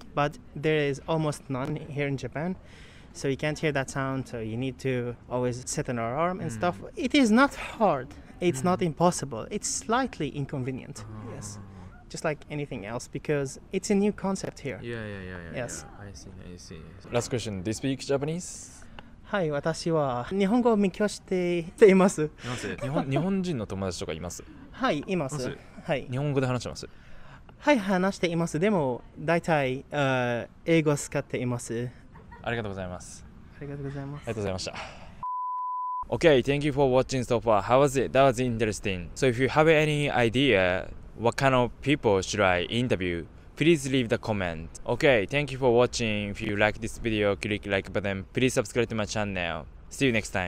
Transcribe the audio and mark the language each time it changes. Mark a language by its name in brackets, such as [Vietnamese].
[English] But there is almost none here in Japan. So you can't hear that sound, so you need to always set an alarm and stuff. It is not hard. It's not impossible. It's slightly inconvenient, yes. Just like anything else, because it's a new concept here. Yeah, yes. I see. Last question. Do you speak Japanese? [Japanese] はい、私は日本語を勉強しています。います。日本人の友達とかいます。はい、います。はい。日本語で話します。はい、話しています。でも、大体、英語を使っています。ありがとうございます。ありがとうございます。ありがとうございました。 [English] Okay, thank you for watching so far. How was it? That was interesting. So if you have any idea what kind of people should I interview, please leave the comment. Okay, thank you for watching. If you like this video, click like button. Please subscribe to my channel. See you next time.